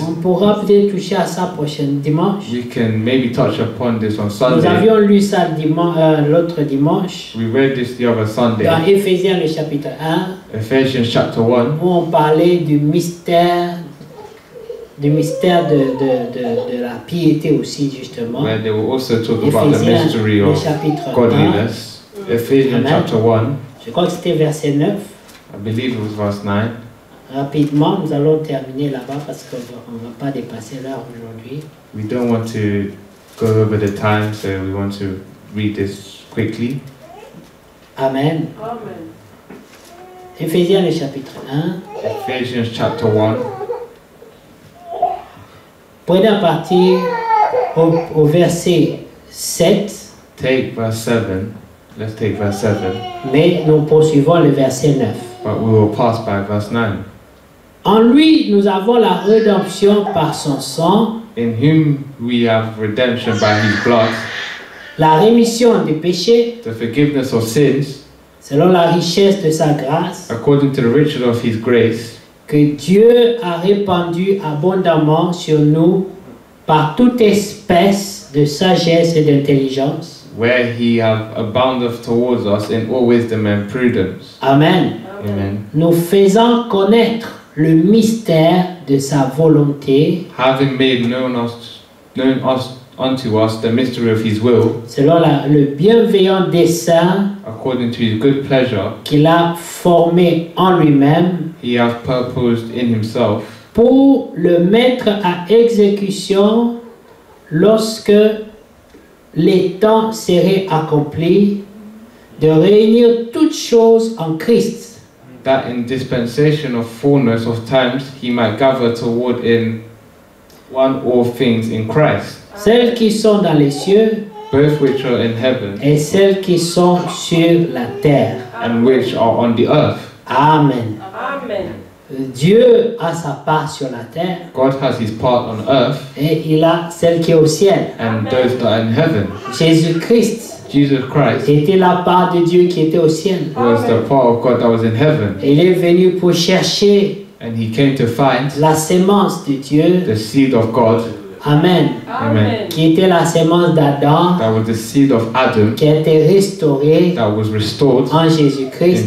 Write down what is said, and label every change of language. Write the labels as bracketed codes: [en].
[fr] on pourra peut-être toucher à ça prochain dimanche. [en] We can maybe touch upon this on Sunday. [fr] Nous avions lu ça l'autre dimanche. [en] We read this the other Sunday. [fr] Dans Ephésiens le chapitre 1. [en] Ephesians chapter 1. [fr] Où on parlait du mystère de la piété aussi justement. [en] Where they were also talk about the mystery of [fr] chapitre [en] godliness. Ephesians chapter 1. [fr] Je crois que c'était verset 9. [en] I believe it was verse 9. [fr] Rapidement, nous allons terminer là-bas parce qu'on ne va pas dépasser l'heure aujourd'hui. [en] We don't want to go over the time, so we want to read this quickly. Amen. Amen. [fr] Ephésiens le chapitre 1. [en] Ephesians chapter 1. [fr] Prenez partir au verset 7. [en] Take verse 7. Let's take verse 7. [fr] Mais nous poursuivons le verset 9. [en] But we will pass by verse 9. [fr] En lui, nous avons la rédemption par son sang. [en] In him, we have redemption by his blood. [fr] La rémission des péchés. [en] The forgiveness of sins. [fr] Selon la richesse de sa grâce. [en] According to the riches of his grace. [fr] Que Dieu a répandu abondamment sur nous par toute espèce de sagesse et d'intelligence. [en] Where he have abounded towards us in all wisdom and prudence. Amen. Amen. [fr] Nous faisant connaître le mystère de sa volonté. [en] Having made known unto us the mystery of his will. [fr] Selon le bienveillant dessein. [en] According to his good pleasure. [fr] Qu'il a formé en lui-même. [en] He has purposed in himself. [fr] Pour le mettre à exécution lorsque les temps seraient accomplis de réunir toutes choses en Christ. [en] That in dispensation of fullness of times he might gather toward in one all things in Christ. [fr] Celles qui sont dans les cieux, [en] both which are in heaven, [fr] et celles qui sont sur la terre, [en] and which are on the earth. Amen. Amen. [fr] Dieu a sa part sur la terre. [en] God has his part on earth. [fr] Et il a celle qui est au ciel. [en] And Amen. Those that are in heaven. Jesus Christ. [fr] Était la part de Dieu qui était au ciel. Amen. [en] Was the part of God that was in heaven. [fr] Il est venu pour chercher. [en] And he came to find. [fr] La semence de Dieu. [en] The seed of God. Amen. Amen. Amen. [fr] Qui était la semence d'Adam. [en] That was the seed of Adam. [fr] Qui a été restaurée. [en] That was restored. [fr] En Jésus Christ.